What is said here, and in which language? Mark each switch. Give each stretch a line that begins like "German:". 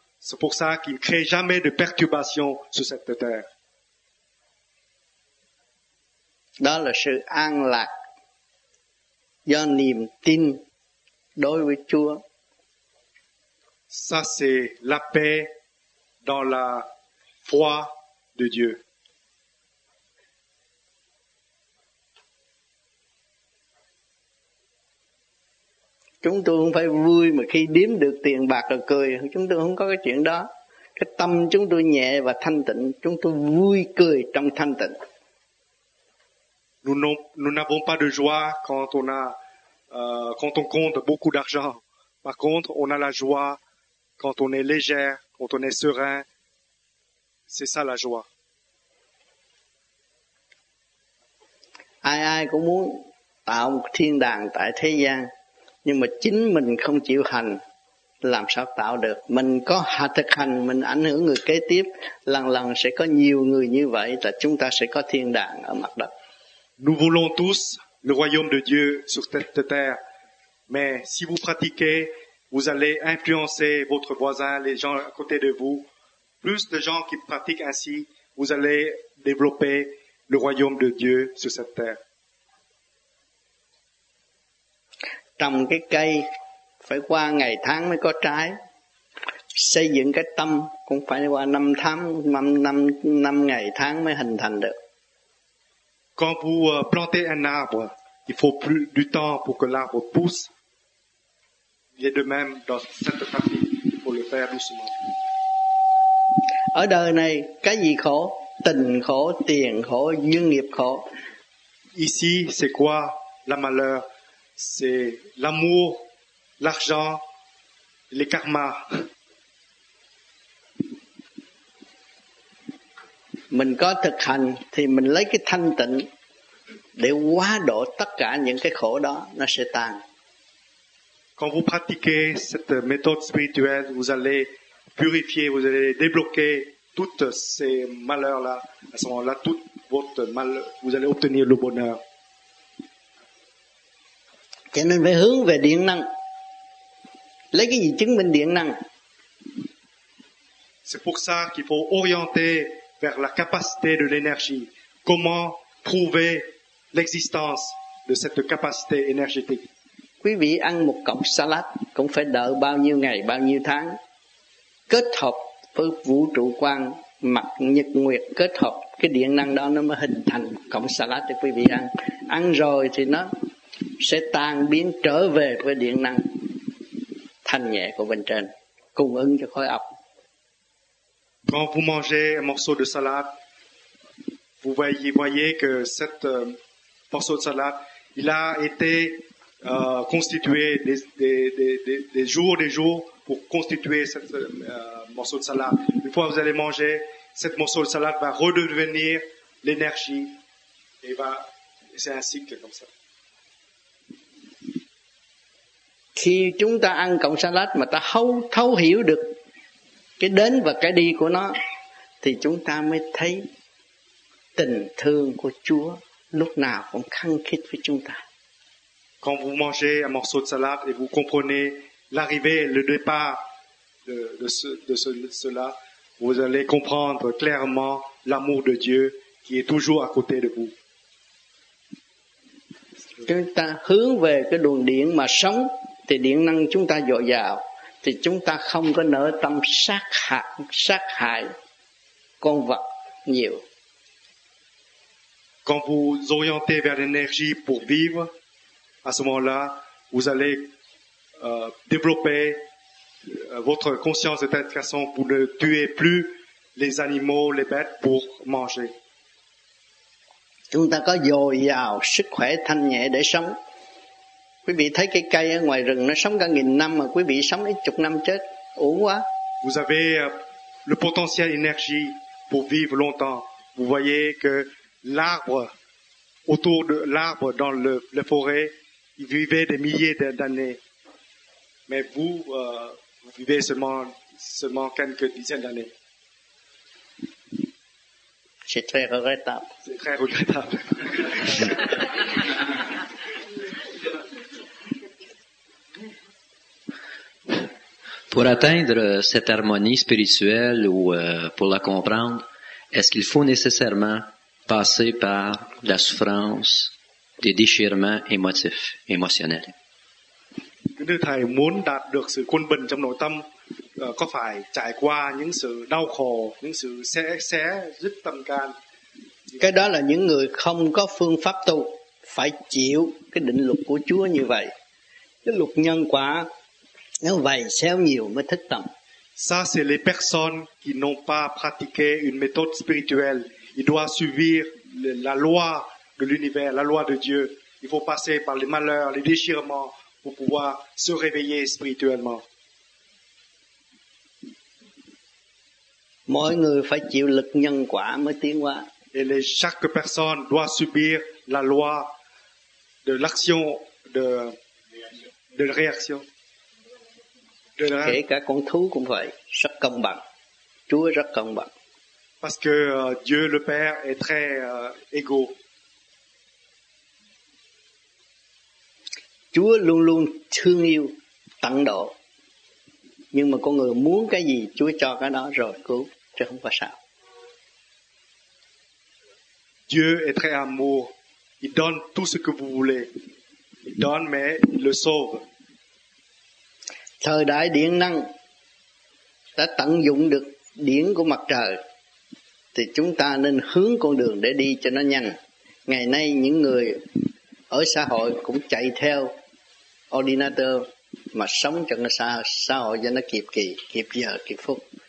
French: C'est pour ça qu'ils ne créent jamais de perturbations sur cette terre.
Vietnamese: Đó là sự an lạc do niềm tin đối với Chúa.
French: Ça, c'est la paix dans la foi de Dieu.
Vietnamese: Chúng tôi không phải vui mà khi đếm được tiền bạc rồi cười, chúng tôi không có cái chuyện đó. Cái tâm chúng tôi nhẹ và thanh tịnh, chúng tôi vui cười trong thanh tịnh.
French: Nous n'avons pas de joie quand on a quand on compte beaucoup d'argent. Par contre, on a la joie quand on est légère, quand on est serein. C'est ça la joie.
Vietnamese: Ai ai cũng muốn tạo một thiên đàng tại thế gian, nhưng mà chính mình không chịu hành, làm sao tạo được? Mình có hạ thực hành, mình ảnh hưởng người kế tiếp, lần lần sẽ có nhiều người như vậy, là chúng ta sẽ có thiên đàng ở mặt đất.
French: Nous voulons tous le royaume de Dieu sur cette terre, mais si vous pratiquez, vous allez influencer votre voisin, les gens à côté de vous. Plus de gens qui pratiquent ainsi, vous allez développer le royaume de Dieu sur cette terre.
Vietnamese: Trồng cái cây phải qua ngày tháng mới có trái, xây dựng cái tâm cũng phải qua năm tháng, năm ngày tháng mới hình thành được.
French: Quand vous plantez un arbre, il faut plus du temps pour que l'arbre pousse. Il est de même dans cette partie, il faut le faire doucement.
Vietnamese: Ở đời này cái gì khổ? Tình khổ, tiền khổ, duyên nghiệp khổ.
French: Ici c'est quoi la malheur? C'est l'amour, l'argent, les karmas.
Vietnamese: Mình có thực hành thì mình lấy cái thanh tịnh để hóa độ tất cả những cái khổ đó, nó sẽ tan.
French: Quand vous pratiquez cette méthode spirituelle, vous allez purifier, vous allez débloquer toutes ces malheurs là, à ce moment-là tout votre mal, vous allez obtenir le bonheur.
Vietnamese: Cho nên phải hướng về điện năng. Lấy cái gì chứng minh điện năng?
French: C'est pour ça qu'il faut orienter vers la capacité de l'énergie. Comment prouver l'existence de cette capacité énergétique?
Vietnamese: Quý vị ăn một cọng salad cũng phải đợi bao nhiêu ngày, bao nhiêu tháng. Kết hợp với vũ trụ quan, mặt nhật nguyệt kết hợp, cái điện năng đó nó mới hình thành cọng salad để quý vị ăn. Ăn rồi thì nó sẽ tan biến trở về với điện năng thanh nhẹ của bên trên, cung ứng cho khối óc.
French: Quand vous mangez un morceau de salade, vous voyez que cet morceau de salade, il a été constitué des jours, des jours pour constituer cet morceau de salade. Une fois que vous allez manger, cet morceau de salade va redevenir l'énergie et va, c'est un cycle comme ça.
Vietnamese: Khi chúng ta ăn cọng salad mà ta thấu hiểu được cái đến và cái đi của nó, thì chúng ta mới thấy tình thương của Chúa lúc nào cũng khăng khít với chúng ta.
French: Quand vous mangez un morceau de salade et vous comprenez l'arrivée, le départ de cela, vous allez comprendre clairement l'amour de Dieu qui est toujours à côté de vous.
Vietnamese: Chúng ta hướng về cái đường điện mà sống, thì điện năng chúng ta dồi dào, thì chúng ta không có nỡ tâm sát hại con vật nhiều.
French: Quand vous orientez vers l'énergie pour vivre, à ce moment-là, vous allez développer votre conscience de telle façon pour ne tuer plus les animaux, les bêtes pour manger.
Vietnamese: Chúng ta có dồi dào sức khỏe thanh nhẹ để sống. Quý vị thấy cái cây ở ngoài rừng nó sống cả nghìn năm mà quý vị sống ít chục năm chết, uổng quá.
French: Vous avez le potentiel énergie pour vivre longtemps, vous voyez que l'arbre autour de l'arbre dans le forêt, il vivait des milliers d'années. Mais vous, vous vivez seulement quelques dizaines d'années. C'est très regrettable. C'est très regrettable. Pour atteindre cette harmonie spirituelle ou pour la comprendre, est-ce qu'il faut nécessairement passer par la souffrance, des déchirements émotifs, émotionnels? Quand vous voulez atteindre la
Vietnamese: quân-bình
French: dans
Vietnamese: nội tâm, có phải trải qua những sự đau khổ, những sự xé rứt tâm can? Cái đó là những người không có phương pháp tu phải chịu cái định luật của Chúa như vậy. Cái luật nhân quả nó vầy xéo nhiều mới thức tâm.
French: Ça c'est les personnes qui n'ont pas pratiqué une méthode spirituelle. Ils doivent subir la loi de l'univers, la loi de Dieu. Il faut passer par les malheurs, les déchirements pour pouvoir se réveiller spirituellement.
Vietnamese: Mỗi người phải chịu lực nhân quả mới tiến hóa.
French: Et chaque personne doit subir la loi de l'action, de la réaction. De la...
Vietnamese: Kể cả con thú cũng vậy, rất công bằng. Chúa rất công bằng.
French: Parce que Dieu le Père est très égaux.
Vietnamese: Chúa luôn luôn thương yêu, tận độ. Nhưng mà con người muốn cái gì, Chúa cho cái đó rồi cứu. Chứ không có sao.
French: Dieu est très amour. Il donne tout ce que vous voulez. Il donne, mais il le sauve.
Vietnamese: Thời đại điện năng đã tận dụng được điện của mặt trời, thì chúng ta nên hướng con đường để đi cho nó nhanh. Ngày nay những người ở xã hội cũng chạy theo ordinator mà sống cho nó xã hội cho nó kịp kỳ, kịp giờ, kịp phút.